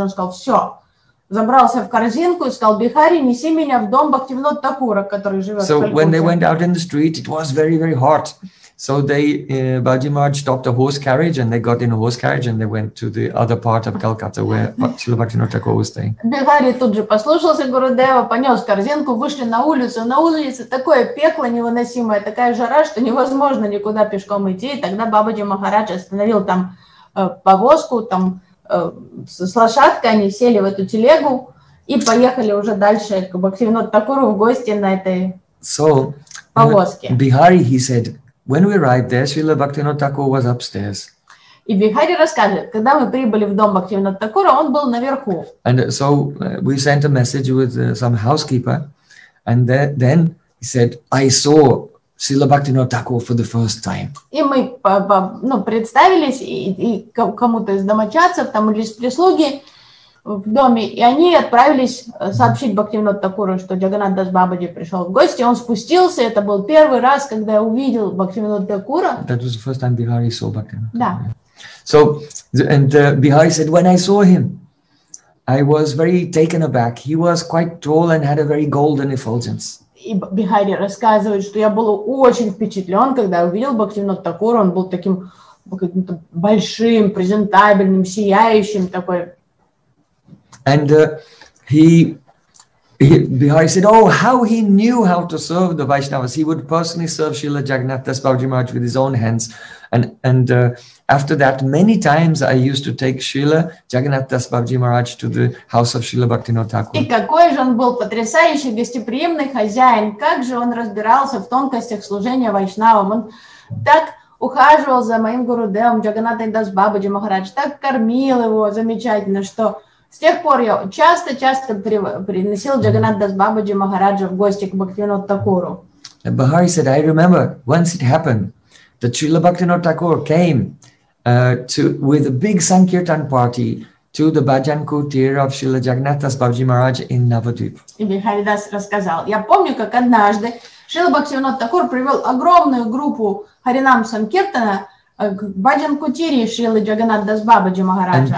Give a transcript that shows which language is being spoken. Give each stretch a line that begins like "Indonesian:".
Russian: Он сказал, все, забрался в корзинку и сказал, Бихари, неси меня в дом Бхактивинода Такура, который живет в Калькутте.
English: So when they went out in the street, it was very, very hot. So they, Babaji Maharaj stopped a horse carriage and they got in a horse carriage and they went to the other part of Calcutta where Srila Bhaktivinoda Thakur was staying.
Russian: Бихари тут же послушался Гурудева, понес корзинку, вышли на улицу. На улице такое пекло невыносимое, такая жара, что невозможно никуда пешком идти. И тогда Бабаджи Махарадж остановил там повозку, там с лошадкой они сели в эту телегу и поехали уже дальше к Бхактивинода Такуру в гости на этой повозке.
English: Бихари, he said, when we arrived there, Srila Bhaktivinoda Thakur was upstairs.
Russian: И Бихари рассказывает, когда мы прибыли в дом Бхактивинода Такура, он был наверху.
English: And so we sent a message with some housekeeper, and then he said, I saw Srila Bhaktivinoda Thakur for the first time.
Russian: И мы представились и кому-то из домочадцев, там или из прислуги в доме, и они отправились сообщить Бхактивинода Такуру, что Джаганнат Дас Бабаджи пришел в гости. Он спустился, это был первый раз, когда я увидел Бхактивинода Такура.
English: That was the first time Бихари saw Бхактивинода
Russian: Такура. Да.
English: So, and Бихари said, when I saw him, I was very taken aback. He was quite tall and had a very golden effulgence.
Russian: И Бихари рассказывает, что я был очень впечатлен, когда увидел Бхактивинода Такура. Он был таким каким-то большим, презентабельным, сияющим такой.
English: And he Bihari said, oh, how he knew how to serve the Vaishnavas. He would personally serve Srila Jagannath Das Babaji Maharaj with his own hands. And after that, many times I used to take Srila Jagannath Das Babaji Maharaj to the house of Srila Bhaktivinoda Thakur.
Russian: И какой же он был потрясающий, гостеприимный хозяин. Как же он разбирался в тонкостях служения Вайшнавам. Он так ухаживал за моим гурудевом Джаганнатой Дас Бабаджи Махарадж, так кормил его замечательно, что... С тех пор я часто-часто приносил Джаганнат Дас Бабаджи Махараджа в гости к Бхактивинода Такуру.
English: Бихари said, I remember once it happened that Srila Bhaktivinoda Thakur came with a big sankirtan party to the bhajan kutir of Srila Jagannath Das Babaji Maharaj in Navadvip.
Russian: И Бихари Дас рассказал, я помню, как однажды Шрила Бхактивинода Такур привел огромную группу харинам санкиртана Bhajan Kutiri Srila Jagannath Das Babaji Maharaja.